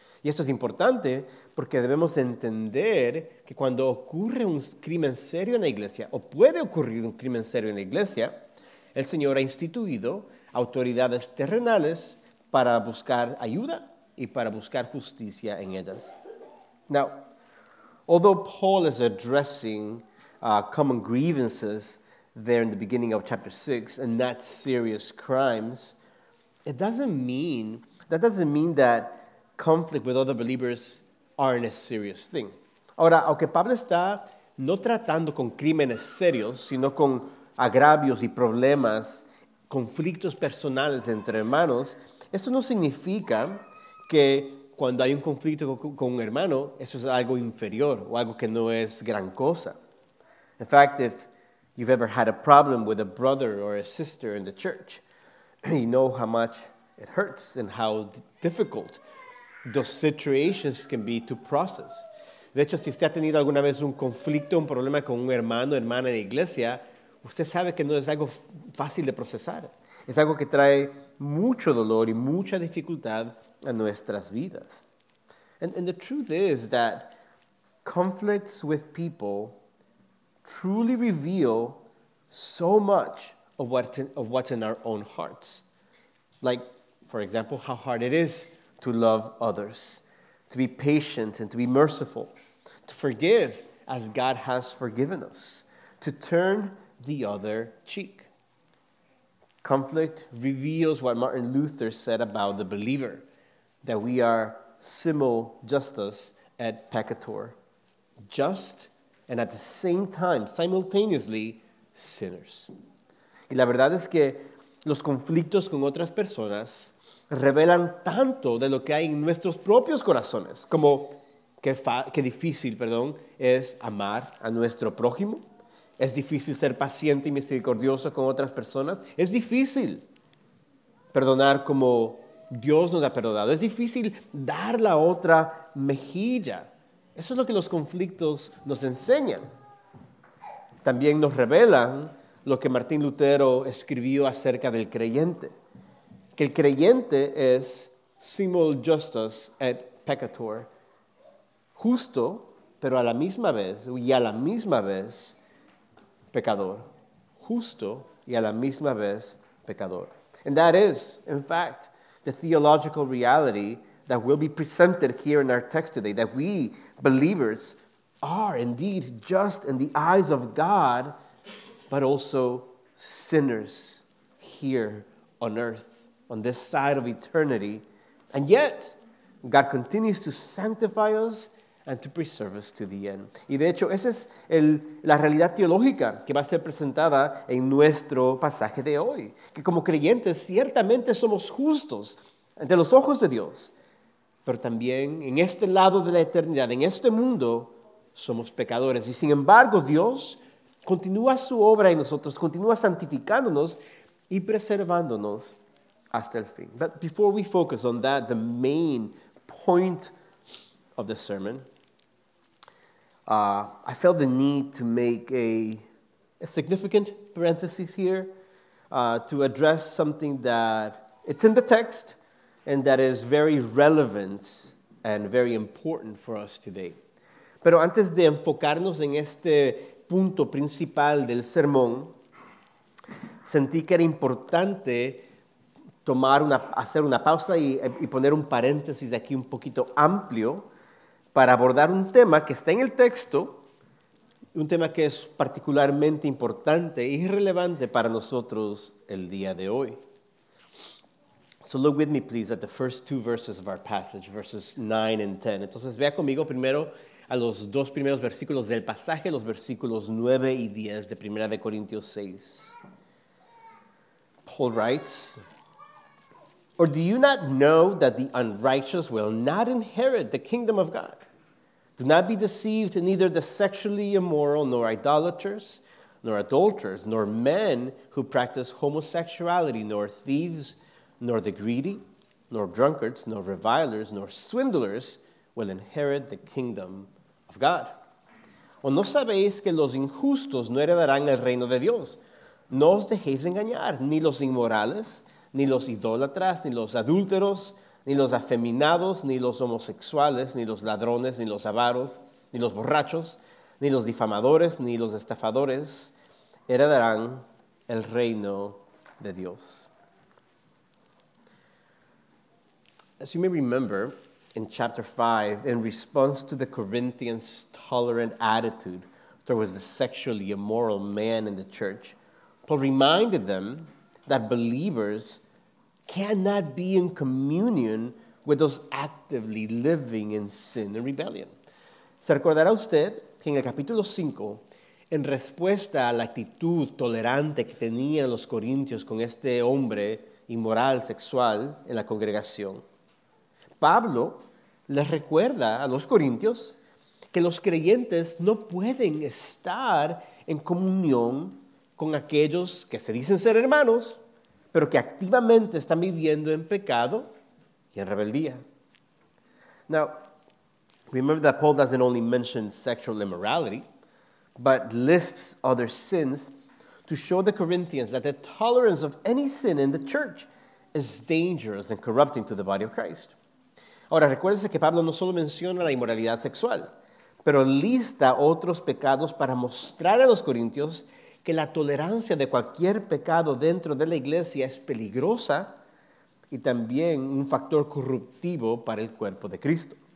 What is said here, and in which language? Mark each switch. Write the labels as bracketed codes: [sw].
[es] Y esto es importante porque debemos entender que cuando ocurre un crimen serio en la iglesia, o puede ocurrir un crimen serio en la iglesia, el Señor ha instituido autoridades terrenales para buscar ayuda y para buscar justicia en ellas. [en] Now, although Paul is addressing common grievances there in the beginning of chapter 6 and not serious crimes, that doesn't mean that conflict with other believers aren't a serious thing. [es] Ahora, aunque Pablo está no tratando con crímenes serios, sino con agravios y problemas, conflictos personales entre hermanos, esto no significa que cuando hay un conflicto con un hermano, eso es algo inferior o algo que no es gran cosa. [en] In fact, if you've ever had a problem with a brother or a sister in the church, you know how much it hurts and how difficult those situations can be to process. [es] De hecho, si usted ha tenido alguna vez un conflicto, un problema con un hermano o hermana en la iglesia, usted sabe que no es algo fácil de procesar. Es algo que trae mucho dolor y mucha dificultad a nuestras vidas. [en] And the truth is that conflicts with people truly reveal so much of what's in our own hearts. Like, for example, how hard it is to love others, to be patient and to be merciful, to forgive as God has forgiven us, to turn the other cheek. Conflict reveals what Martin Luther said about the believer, that we are [la] simul justus et peccator, [en] just and at the same time, simultaneously, sinners. [es] Y la verdad es que los conflictos con otras personas revelan tanto de lo que hay en nuestros propios corazones, como qué difícil es amar a nuestro prójimo. Es difícil ser paciente y misericordioso con otras personas. Es difícil perdonar como Dios nos ha perdonado. Es difícil dar la otra mejilla. Eso es lo que los conflictos nos enseñan. También nos revelan lo que Martín Lutero escribió acerca del creyente. Que el creyente es [la] simul justus et peccator, [es] justo, pero a la misma vez, y a la misma vez, pecador. Justo y a la misma vez, pecador. [en] And that is, in fact, the theological reality that will be presented here in our text today, that we believers are indeed just in the eyes of God, but also sinners here on earth, on this side of eternity. And yet, God continues to sanctify us and to preserve us to the end. [es] Y de hecho, esa es la realidad teológica que va a ser presentada en nuestro pasaje de hoy. Que como creyentes, ciertamente somos justos ante los ojos de Dios. Pero también en este lado de la eternidad, en este mundo, somos pecadores. Y sin embargo, Dios continúa su obra en nosotros, continúa santificándonos y preservándonos hasta el fin. [en] But before we focus on that, the main point of the sermon, I felt the need to make a significant parenthesis here to address something that it's in the text and that is very relevant and very important for us today. [es] Pero antes de enfocarnos en este punto principal del sermón, sentí que era importante hacer una pausa y poner un paréntesis aquí un poquito amplio para abordar un tema que está en el texto, un tema que es particularmente importante y relevante para nosotros el día de hoy. [en] So look with me, please, at the first two verses of our passage, verses 9 and 10. [es] Entonces, vea conmigo primero a los dos primeros versículos del pasaje, los versículos 9 y 10 de 1 de Corintios 6. [en] Paul writes, "Or do you not know that the unrighteous will not inherit the kingdom of God? Do not be deceived, neither the sexually immoral, nor idolaters, nor adulterers, nor men who practice homosexuality, nor thieves, nor the greedy, nor drunkards, nor revilers, nor swindlers will inherit the kingdom of God. [es] ¿O no sabéis que los injustos no heredarán el reino de Dios? No os dejéis engañar, ni los inmorales, ni los idólatras, ni los adúlteros, ni los afeminados, ni los homosexuales, ni los ladrones, ni los avaros, ni los borrachos, ni los difamadores, ni los estafadores heredarán el reino de Dios." [en] As you may remember, in chapter 5, in response to the Corinthians' tolerant attitude towards the sexually immoral man in the church, Paul reminded them that believers cannot be in communion with those actively living in sin and rebellion. [es] ¿Se recordará usted que en el capítulo 5, en respuesta a la actitud tolerante que tenían los corintios con este hombre inmoral, sexual, en la congregación, Pablo les recuerda a los corintios que los creyentes no pueden estar en comunión con aquellos que se dicen ser hermanos, pero que activamente están viviendo en pecado y en rebeldía? [en] Now, remember that Paul doesn't only mention sexual immorality, but lists other sins to show the Corinthians that the tolerance of any sin in the church is dangerous and corrupting to the body of Christ. [es] Ahora, recuérdese que Pablo no solo menciona la inmoralidad sexual, pero lista otros pecados para mostrar a los corintios que la tolerancia de cualquier pecado dentro de la iglesia es peligrosa y también un factor corruptivo para el cuerpo de Cristo.